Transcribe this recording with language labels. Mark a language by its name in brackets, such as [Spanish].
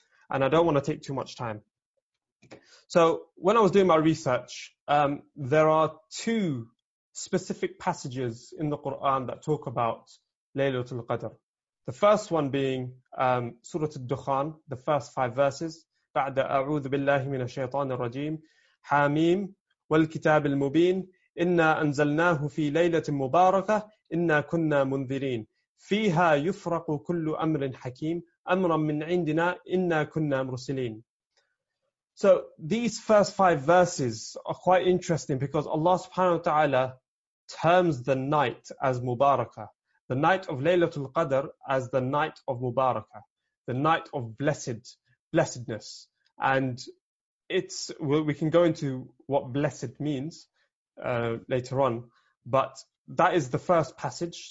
[English] And I don't want to take too much time. So when I was doing my research, there are two specific passages in the Quran that talk about Laylatul Qadr. The first one being Surah Al-Dukhan, the first five verses. [Arabic] بعد أعوذ بالله من الشيطان الرجيم حاميم والكتاب المبين إِنَّا أَنزَلْنَاهُ فِي لَيْلَةٍ مُبَارَكَةٍ إِنَّا كُنَّا مُنذِرِينَ فِيهَا يُفْرَقُ كُلُّ أَمْرٍ حَكِيمٍ أَمْرًا مِّنْ عِنْدِنَا إِنَّا كُنَّا مُرْسِلِينَ. [English] So these first five verses are quite interesting, because Allah subhanahu wa ta'ala terms the night as Mubarakah, the night of Laylatul Qadr as the night of Mubarakah, the night of blessedness. And we can go into what blessed means later on, but that is the first passage.